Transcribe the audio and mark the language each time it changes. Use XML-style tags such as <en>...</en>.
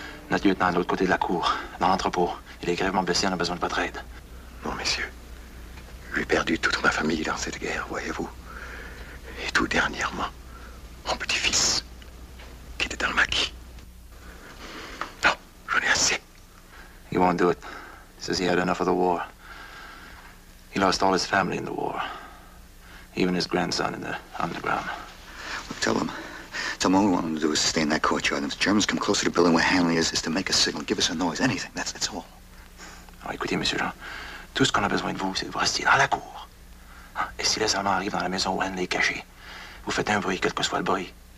<fr>Notre lieutenant est de l'autre côté de la cour, dans l'entrepôt. Il est grèvement blessé, on a besoin de votre aide. Non, messieurs. J'ai perdu toute ma famille dans cette guerre, voyez-vous. Et tout dernièrement, mon petit-fils, qui était dans le maquis. Non, j'en ai assez.</fr> <en>He won't do it. He says he had enough of the war. He lost all his family in the war. Even his grandson in the underground. Well, tell him. Tell him all we want him to do is stay in that courtyard. And if the Germans come closer to the building where Hanley is to make a signal, give us a noise, anything. That's all.</en> <fr>Alors, écoutez, Monsieur Jean. Tout ce qu'on a besoin de vous, c'est que vous restiez dans la cour. Et si les Allemands arrivent dans la maison où Hanley est caché, vous faites un bruit, quel que soit le bruit.</fr>